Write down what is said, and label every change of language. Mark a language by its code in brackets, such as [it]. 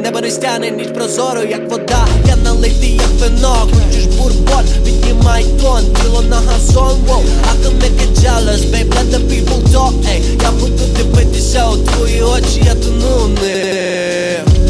[uk] Стяне ніч прозоро, як вода. Я налитий, як вино. Хочеш бурбон, піднімай тон. Тіло на газон, воу. [en] I can make it jealous, babe. Let the people talk, ей. [uk] Я буду дивитися у твої очі, я тону не.